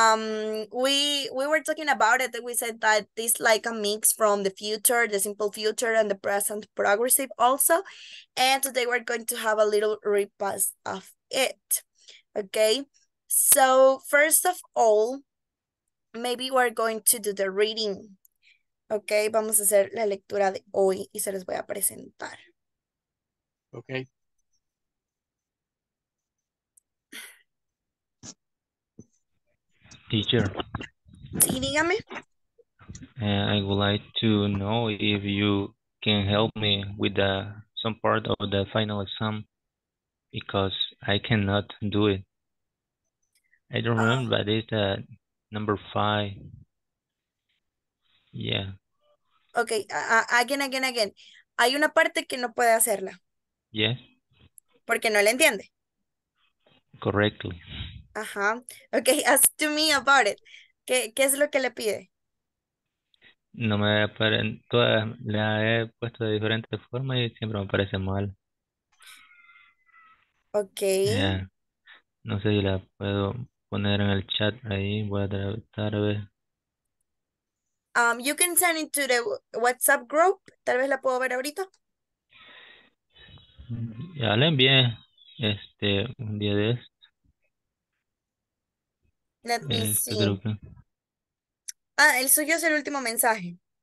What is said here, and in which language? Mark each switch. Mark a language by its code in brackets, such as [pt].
[en] We were talking about it. We said that this like a mix from the future, the simple future, and the present progressive also. And today we're going to have a little repass of it. Okay. So first of all, maybe we're going to do the reading. [es] Okay, vamos a hacer la lectura de hoy y se los voy a presentar. [en] Okay. Teacher, [es] Sí, dígame. [en] And I would like to know if you can help me with the some part of the final exam because I cannot do it. I don't remember, but it's number 5. Yeah. Okay, again. [es] Hay una parte que no puede hacerla. [en] Yes. [es] Porque no la entiende. [en] Correctly. [es] Ajá. [en] Okay, ask to me about it. [es] ¿Qué es lo que le pide? No me aparecen todas, la he puesto de diferentes formas y siempre me parece mal. [en] Okay. [es] No sé si la puedo poner en el chat ahí, voy a tratar de ver. [en] You can send it to the WhatsApp group. [es] Tal vez la puedo ver ahorita. Ya le envié un día de esto. [en] Let me [es] Este [en] see. [es] grupo. Ah, el suyo es el último mensaje.